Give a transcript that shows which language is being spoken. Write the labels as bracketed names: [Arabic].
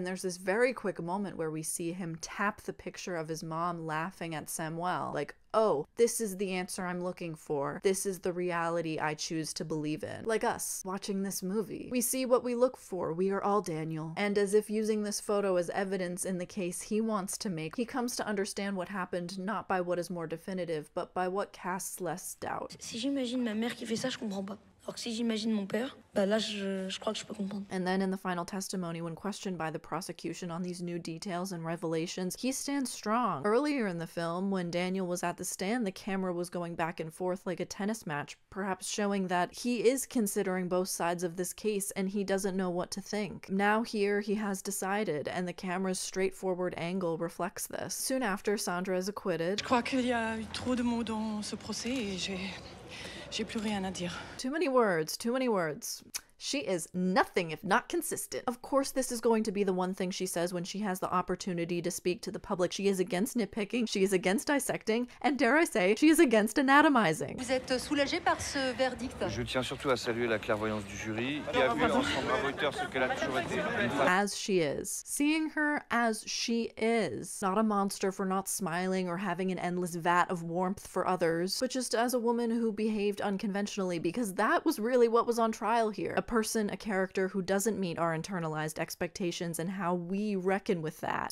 [English] And there's this very quick moment where we see him tap the picture of his mom laughing at Samuel, like, oh, this is the answer I'm looking for. This is the reality I choose to believe in. Like us, watching this movie. We see what we look for. We are all Daniel. And as if using this photo as evidence in the case he wants to make, he comes to understand what happened not by what is more definitive, but by what casts less doubt. [French] Si j'imagine ma mère qui fait ça, je comprends pas. Alors que si j'imagine mon père, bah là je crois que je peux comprendre. [English] And then in the final testimony, when questioned by the prosecution on these new details and revelations, he stands strong. Earlier in the film, when Daniel was at the stand, the camera was going back and forth like a tennis match, perhaps showing that he is considering both sides of this case and he doesn't know what to think. Now here, he has decided, and the camera's straightforward angle reflects this. Soon after, Sandra is acquitted. [French] Je crois qu'il y a eu trop de mots dans ce procès et j'ai plus rien à dire. [English] Too many words. She is nothing if not consistent. Of course, this is going to be the one thing she says when she has the opportunity to speak to the public. She is against nitpicking, she is against dissecting, and dare I say, she is against anatomizing. [French] Vous êtes soulagé par ce verdict? Je tiens surtout à saluer la clairvoyance du jury, qui a vu en son bravo auteur ce qu'elle a toujours été. [English] As she is. Seeing her as she is. Not a monster for not smiling or having an endless vat of warmth for others, but just as a woman who behaved unconventionally, because that was really what was on trial here. A person, a character who doesn't meet our internalized expectations and how we reckon with that.